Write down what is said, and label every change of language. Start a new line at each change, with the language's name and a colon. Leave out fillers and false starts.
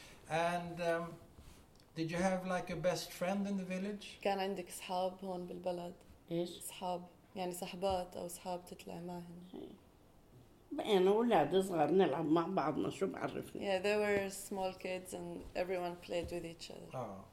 English: And did you have like a best friend in the village?
Arabic: كان عندك صحاب هون بالبلد. إيش؟ صحاب يعني صحبات أو صحاب تطلع معهن. بقينا أولاد صغار نلعب مع بعضنا شو بعرفني.
English: Yeah, they were small kids and everyone played with each other.